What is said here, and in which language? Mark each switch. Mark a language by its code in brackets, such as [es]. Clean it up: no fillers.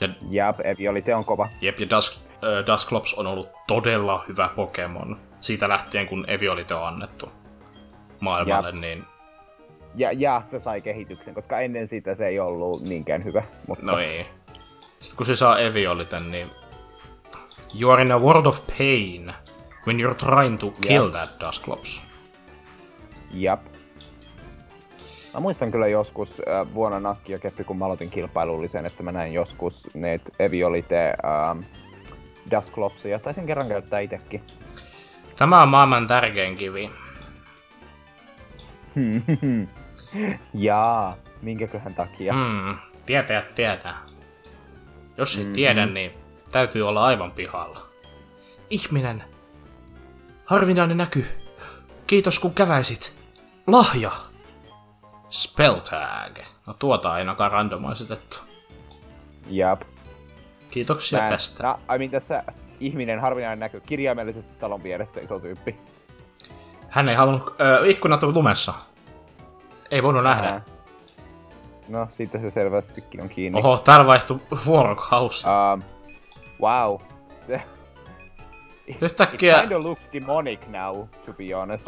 [fi] Jep, Eviolite on kova. Jep, ja Dusklops on ollut todella hyvä Pokemon. Siitä lähtien, kun Eviolite on annettu maailmalle, jep. Niin... Ja se sai kehityksen, koska ennen sitä se ei ollut niinkään hyvä, mutta... No ei. Sitten kun se saa Eviolitan, niin... [en] You are in a world of pain when you're trying to kill that Dusklops. [fi] Jep. Mä muistan kyllä joskus vuonna Nakki ja Keppi, kun mä aloitin kilpailullisen, että mä näin joskus ne Eviolite Dusklopsia. Taisin kerran käyttää itsekin. Tämä on maailman tärkein kivi. Jaa, minkäköhän takia? Tietää. Jos et tiedä, niin täytyy olla aivan pihalla. Ihminen! Harvinainen näky! Kiitos kun käväisit! Lahja! [en] Spell tag. [fi] No tuota ainakaan randomaisitettu. Jep. Kiitoksia tästä. Tässä ihminen, harvinainen näky, kirjaimellisesti talon vieressä iso tyyppi. Hän ei halunnut... ikkunat on lumessa. Ei voinut nähdä. No, siitä se selvästikin on kiinni. Oho, täällä vaihtui vuorokausi. [en] Wow. [fi] Yhtäkkiä... [en] It kind of looks demonic now, to be honest.